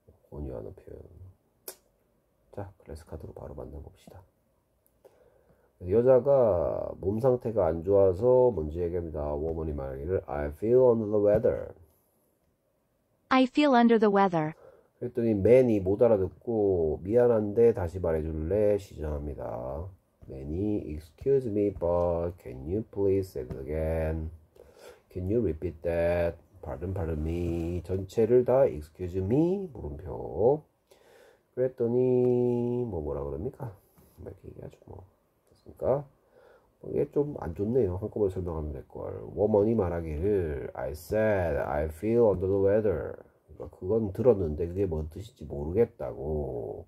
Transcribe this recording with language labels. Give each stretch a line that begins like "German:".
Korean: 권유하는 표현. 자, 그래서 카드로 바로 만나봅시다. 여자가 몸 상태가 안 좋아서 먼저 얘기합니다. 워먼이 말하기를
English: I feel under the weather. I feel under the weather.
Korean: 그랬더니 맨이 못 알아듣고 미안한데 다시 말해줄래? 시전합니다.
English: Many, excuse me, but can you please say that again? Can you repeat that? Pardon, pardon me.
Korean: 전체를 다
English: excuse me?
Korean: 물음표. 그랬더니 뭐 뭐라 그럽니까? 이렇게 얘기하죠 뭐. 됐습니까? 이게 좀안 좋네요. 한꺼번에 설명하면 될 걸.
English: Woman이
Korean: 말하기를
English: I said I feel under the weather.
Korean: 그건 들었는데 그게 뭔 뜻인지 모르겠다고.